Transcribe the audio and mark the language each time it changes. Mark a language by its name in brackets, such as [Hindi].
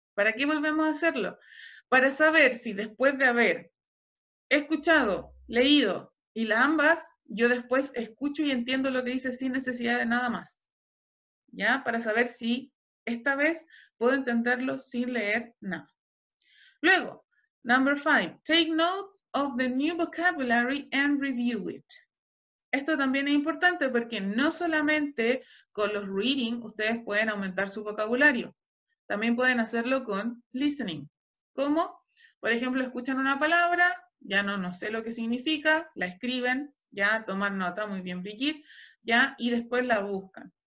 [Spanish] ¿Para qué volvemos a hacerlo? Para saber si después de haber escuchado, leído y las ambas, yo después escucho y entiendo lo que dice sin necesidad de nada más. ¿Ya? Para saber si esta vez puedo entenderlo sin leer nada. [English] Luego, number five, take note of the new vocabulary and review it. [Spanish] Esto también es importante porque no solamente con los reading ustedes pueden aumentar su vocabulario. También pueden hacerlo con listening. ¿Cómo? Por ejemplo, escuchan una palabra, ya no sé lo que significa, la escriben, ya toman nota, muy bien, Brigitte, ya, y después la buscan.